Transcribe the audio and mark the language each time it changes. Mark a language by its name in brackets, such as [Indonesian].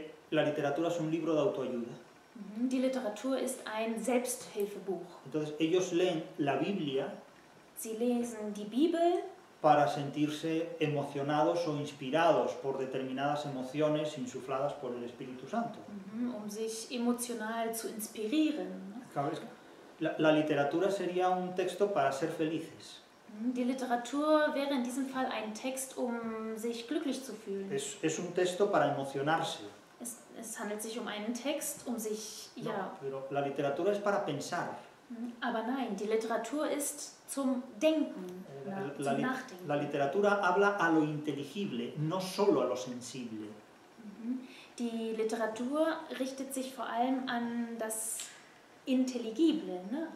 [Spanish] La literatura es un libro de autoayuda. [German] Die Literatur ist ein Selbsthilfebuch. [Spanish] Entonces, ellos leen la Biblia. [German] Sie lesen die Bibel. [Spanish] Para sentirse emocionados o inspirados por determinadas emociones insufladas por el Espíritu Santo. [German] Um sich emotional zu inspirieren. [Spanish] La literatura sería un texto para ser felices. [German] Die Literatur wäre in diesem Fall ein Text, um sich glücklich zu fühlen. [Spanish] Es un texto para emocionarse. [German] Es handelt sich um einen Text, um sich, ja. [Spanish] No, pero la literatura es para pensar. [German] Aber nein, die Literatur ist zum Denken. [Spanish] La literatura habla a lo inteligible, no solo a lo sensible. [German] Die Literatur richtet sich vor allem an das Intelligible, ne?